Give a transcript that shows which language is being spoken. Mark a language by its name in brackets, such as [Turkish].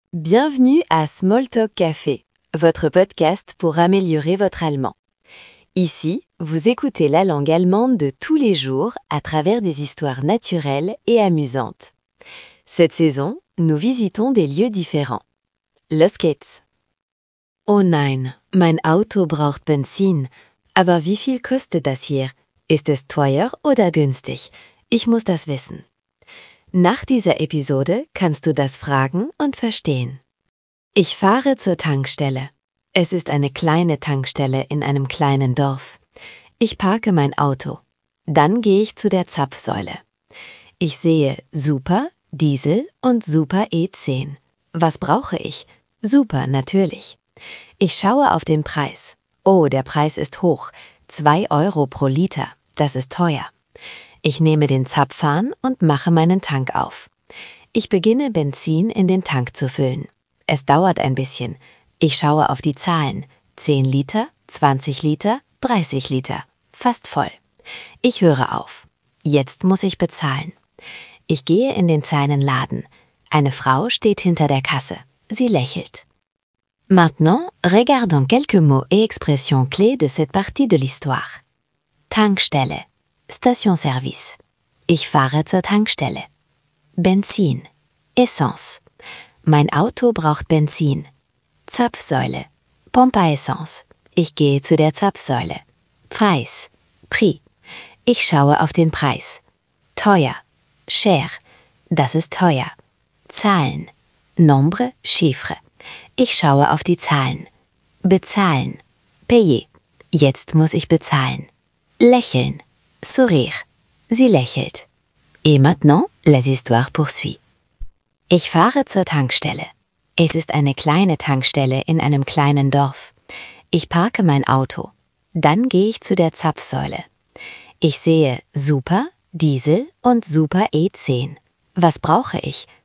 [French] Bienvenue à Small Talk Café, votre podcast pour améliorer votre allemand. Ici, vous écoutez la langue allemande de tous les jours à travers des histoires naturelles et amusantes. Cette saison, nous visitons des lieux différents. [German] Los geht's! Oh nein, mein Auto braucht Benzin. Aber wie viel kostet das hier? Ist es teuer oder günstig? Ich muss das wissen. Nach dieser Episode kannst du das fragen und verstehen. Ich fahre zur Tankstelle. Es ist eine kleine Tankstelle in einem kleinen Dorf. Ich parke mein Auto. Dann gehe ich zu der Zapfsäule. Ich sehe Super, Diesel und Super E10. Was brauche ich? Super, natürlich. Ich schaue auf den Preis. Oh, der Preis ist hoch. 2 Euro pro Liter. Das ist teuer. Ich nehme den Zapfhahn und mache meinen Tank auf. Ich beginne, Benzin in den Tank zu füllen. Es dauert ein bisschen. Ich schaue auf die Zahlen. 10 Liter, 20 Liter, 30 Liter. Fast voll. Ich höre auf. Jetzt muss ich bezahlen. Ich gehe in den kleinen Laden. Eine Frau steht hinter der Kasse. Sie lächelt. [French] Maintenant, regardons quelques mots et expressions clés de cette partie de l'histoire. [German] Tankstelle. Station-Service. Ich fahre zur Tankstelle. Benzin. Essence. Mein Auto braucht Benzin. Zapfsäule. [French] Pompe à essence. [German] Ich gehe zu der Zapfsäule. Preis. Prix. Ich schaue auf den Preis. Teuer. Cher. Das ist teuer. Zahlen. [French] Nombre, chiffre. [German] Ich schaue auf die Zahlen. Bezahlen. Payer. Jetzt muss ich bezahlen. Lächeln. Sourire. Sie lächelt. [French] Et maintenant, les histoires poursuivent. [German] Ich fahre zur Tankstelle. Es ist eine kleine Tankstelle in einem kleinen Dorf. Ich parke mein Auto. Dann gehe ich zu der Zapfsäule. Ich sehe Super, Diesel und Super E10. Was brauche ich?